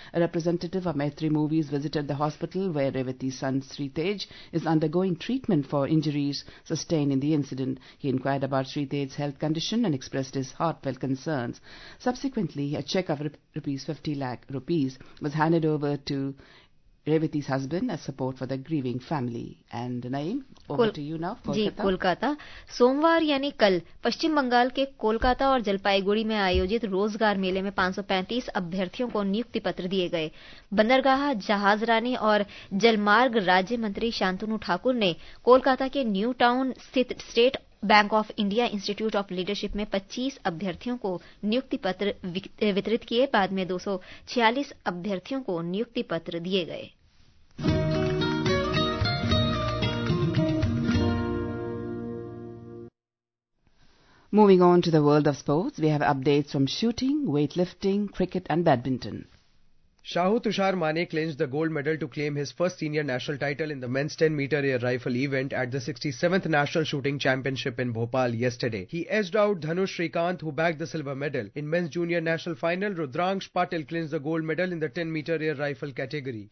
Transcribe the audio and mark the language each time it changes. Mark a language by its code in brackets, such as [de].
[en] A representative of Maitri Movies visited the hospital where Revati's son Sri Tej is undergoing treatment for injuries sustained in the incident. He inquired about Sri Tej's health condition and expressed his heartfelt concerns. Subsequently, a cheque of 50 lakh rupees was handed over to Revati's husband as support for the grieving family. And Naeem, over to you now. [hi] Kolkata सोमवार यानी कल पश्चिम बंगाल के कोलकाता और जलपाईगुड़ी में आयोजित रोजगार मेले में 535 अभ्यर्थियों को नियुक्ति पत्र दिए गए। बंदरगाह जहाजरानी और जलमार्ग राज्य मंत्री शांतनु ठाकुर ने कोलकाता के न्यू टाउन स्थित state bank of India institute of leadership में 25 अभ्यर्थियों को नियुक्ति पत्र वितरित किए। बाद में 246 अभ्यर्थियों को नियुक्ति पत्र दिए गए। [en] Moving on to the world of sports, we have updates from shooting, weightlifting, cricket and badminton. Shahu Tushar Mane clinched the gold medal to claim his first senior national title in the men's 10-meter air rifle event at the 67th National Shooting Championship in Bhopal yesterday. He edged out Dhanush Srikant, who bagged the silver medal. In men's junior national final, Rudrangsh Patil clinched the gold medal in the 10-meter air rifle category.